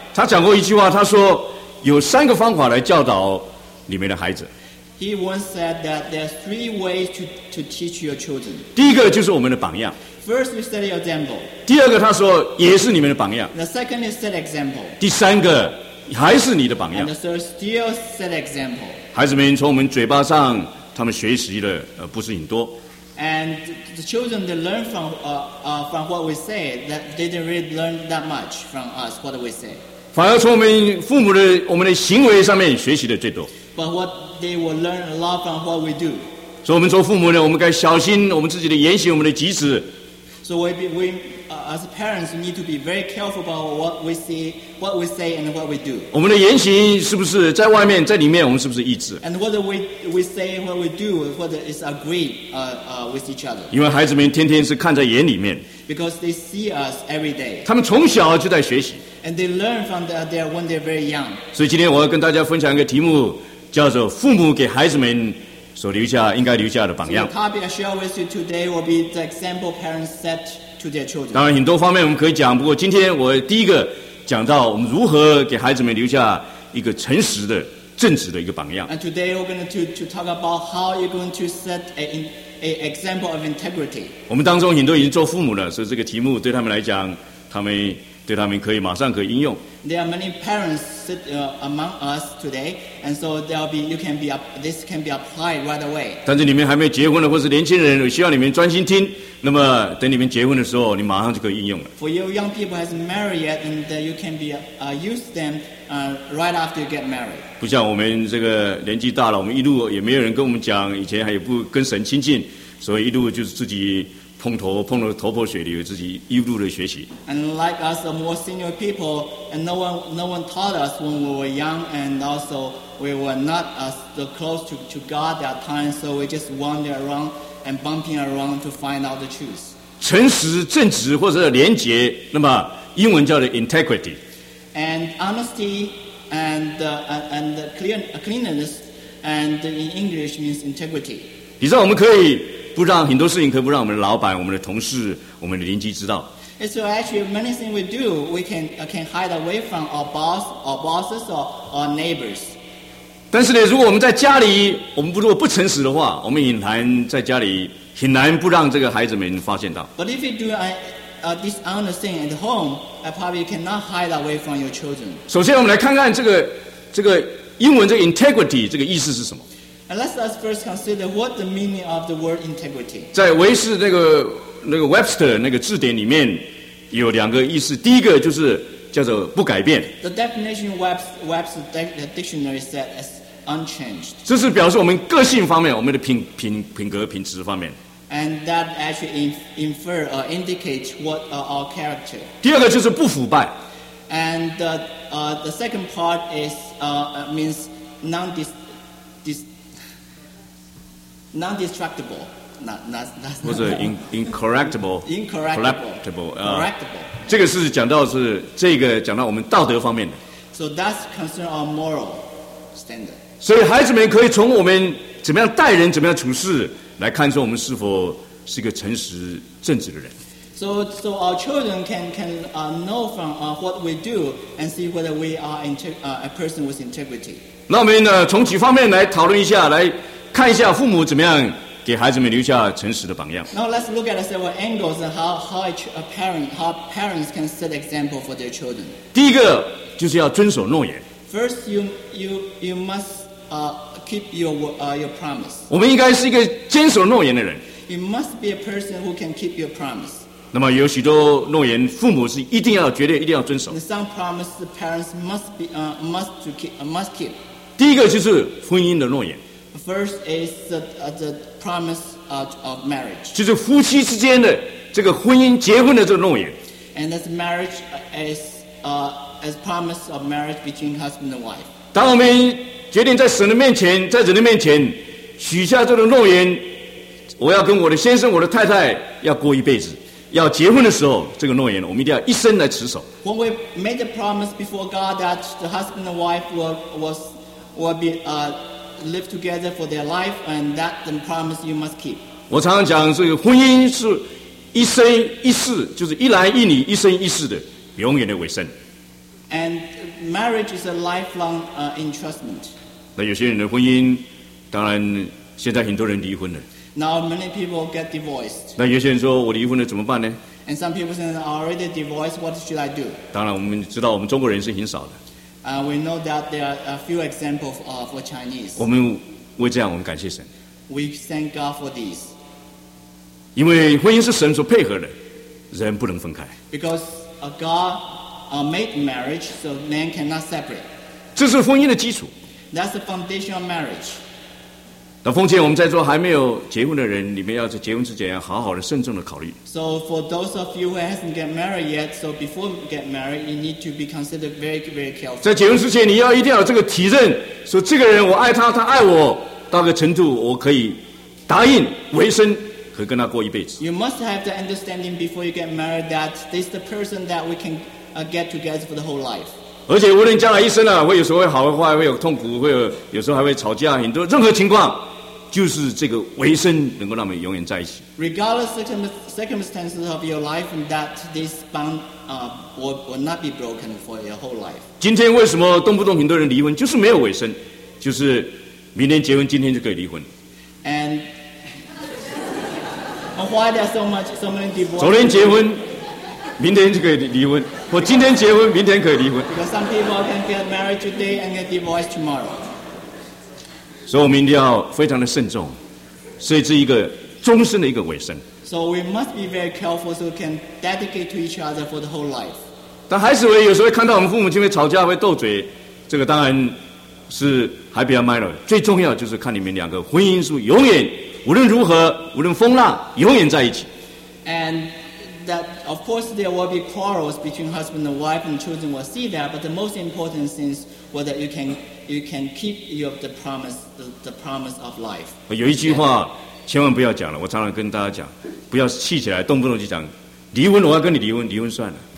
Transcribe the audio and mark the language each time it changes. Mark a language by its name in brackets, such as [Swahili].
[Chinese] 他讲过一句话，他说有三个方法来教导里面的孩子。 [English] He once said that there are three ways to teach your children. [Chinese] 第一个就是我们的榜样。 [English] First, you set an example. [Chinese] 第二个，他说也是你们的榜样。 [English] The second is set example. [Chinese] 第三个还是你的榜样。 [English] And the third still set example. [Chinese] 孩子们从我们嘴巴上，他们学习的不是很多。 [English] And the children they learn from what we say that they didn't really learn that much from us what we say. [Chinese] 反而从我们父母的我们的行为上面学习的最多。 [English] But what they will learn a lot from what we do. [Chinese] 所以我们做父母呢，我们该小心我们自己的言行，我们的举止。 [English] So we as parents need to be very careful about what we see, what we say, and what we do. [Chinese] 我们的言行是不是在外面，在里面，我们是不是一致 [English] ？And whether we say what we do, whether it's agreed with each other. [Chinese] 因为孩子们天天是看在眼里面。 [English] Because they see us every day. [Chinese] 他们从小就在学习。 [English] And they learn from their when they're very young. [Chinese] 所以今天我要跟大家分享一个题目，叫做父母给孩子们所留下应该留下的榜样。 [English] The topic I share with you today will be the example parents set to their children. [Chinese] 当然很多方面我们可以讲，不过今天我第一个讲到我们如何给孩子们留下一个诚实的、正直的一个榜样。 [English] And today we're going to talk about how you're going to set an example of integrity. [Chinese] 我们当中很多已经做父母了，所以这个题目对他们来讲，他们可以马上可以应用。 [English] There are many parents sit among us today, and so this can be applied right away. [Chinese] 但是你们还没结婚的，或是年轻人，需要你们专心听。那么等你们结婚的时候，你马上就可以应用了。 [English] For you young people hasn't married yet, and you can be use them right after you get married. [Chinese] 不像我们这个年纪大了，我们一路也没有人跟我们讲，以前还也不跟神亲近，所以一路就是自己碰头破血流，自己一路的学习。 [English] And like us, the more senior people, and no one taught us when we were young, and also we were not as close to God at that time, so we just wander around and bumping around to find out the truth. [Chinese] 诚实、正直或者廉洁，那么英文叫做 integrity. [English] And honesty and cleanliness, and in English means integrity. [Chinese] 你知道我们可以。不让很多事情，可不让我们的老板、我们的同事、我们的邻居知道。 [English] So actually, many things we do, we can hide away from our boss, our bosses, or our neighbors. [Chinese] 但是呢，如果我们在家里，我们如果不诚实的话，我们隐含在家里，很难不让这个孩子们发现到。 [English] But if you do a dishonest thing at home, I probably cannot hide away from your children. [Chinese] 首先，我们来看看这个英文这个 integrity 这个意思是什么。 [English] And let us first consider what the meaning of the word integrity. [Chinese] 在维氏那个 Webster 那个字典里面有两个意思，第一个就是叫做不改变。 [English] The definition Webster dictionary said is unchanged. [Chinese] 这是表示我们个性方面，我们的品格、品质方面。 [English] And that actually infer or indicates what our character. [Chinese] 第二个就是不腐败。 [English] And the second part is means non-dis- non-destructible. Not 或者 incorrectible, incorrectible, correctable. [Chinese] 这个是讲到是这个讲到我们道德方面的。 [English] So that's concern our moral standard. [Chinese] 所以孩子们可以从我们怎么样待人、怎么样处事来看出我们是否是一个诚实、正直的人。 [English] So our children can know from what we do and see whether we are a person with integrity. [Chinese] 那我们呢，从几方面来讨论一下，来看一下父母怎么样。给孩子们留下诚实的榜样。 [English] Now let's look at several angles of how parents can set example for their children. [Chinese] 第一个就是要遵守诺言。 [English] First, you must keep your promise. [Chinese] 我们应该是一个坚守诺言的人。 [English] You must be a person who can keep your promise. [Chinese] 那么有许多诺言，父母是一定要绝对一定要遵守。 [English] And some promises parents must keep. [Chinese] 第一个就是婚姻的诺言。 [English] First is the promise of marriage. [Chinese] 就是夫妻之间的这个婚姻结婚的这个诺言。 [English] And that marriage is as promise of marriage between husband and wife. [Chinese] 当我们决定在神的面前，在人的面前许下这个诺言，我要跟我的先生、我的太太要过一辈子，要结婚的时候，这个诺言我们一定要一生来持守。 [English] When we made the promise before God that the husband and wife will live together for their life, and that the promise you must keep. [Chinese] 我常常讲，这个婚姻是一生一世，就是一男一女一生一世的永远的尾声。 [English] And marriage is a lifelong entrustment. [Chinese] 那有些人的婚姻，当然现在很多人离婚了。 [English] Now many people get divorced. [Chinese] 那有些人说，我离婚了怎么办呢 [English] ？And some people say, I already divorced. What should I do? [Chinese] 当然，我们知道我们中国人是很少的。 [English] We know that there are a few examples for Chinese. [Chinese] 我们为这样，我们感谢神。 [English] We thank God for this. [Chinese] 因为婚姻是神所配合的，人不能分开。 [English] Because God made marriage, so man cannot separate. [Chinese] 这是婚姻的基础。 [English] That's the foundation of marriage. [Chinese] 那奉劝我们在座还没有结婚的人，你们要在结婚之前好好的、慎重的考虑。 [English] So for those of you who hasn't get married yet, so before get married, you need to be considered very, very careful. [Chinese] 在结婚之前，你要一定要有这个体认，说这个人我爱他，他爱我，到个程度我可以答应为生和跟他过一辈子。 [English] You must have the understanding before you get married that this is the person that we can get together for the whole life. [Chinese] 而且无论将来一生啊，会有时候会好会坏，会有痛苦，会有时候还会吵架，很多任何情况，就是这个维生能够让我们永远在一起。 [English] Regardless circumstances of your life, that this bond will not be broken for your whole life. [Chinese] 今天为什么动不动很多人离婚，就是没有维生，就是明天结婚，今天就可以离婚。 [English] And why there so many divorces? [Chinese] 昨天结婚。明天就可以离婚，我今天结婚，明天可以离婚。 [English] Because some people can get married today and get divorced tomorrow. [Chinese] 所以我们一定要非常的慎重，所以这一个终身的一个尾声。 [English] So we must be very careful so we can dedicate to each other for the whole life. [Chinese] 但孩子们有时候看到我们父母亲会吵架、会斗嘴，这个当然是还比较 minor。最重要就是看你们两个婚姻是永远，无论如何，无论风浪，永远在一起。 [English] And that of course there will be quarrels between husband and wife and children will see that, but the most important thing is whether you can keep the promise of life. [Chinese] 有一句话千万不要讲了，我常常跟大家讲，不要气起来动不动就讲离婚，我要跟你离婚，离婚算了。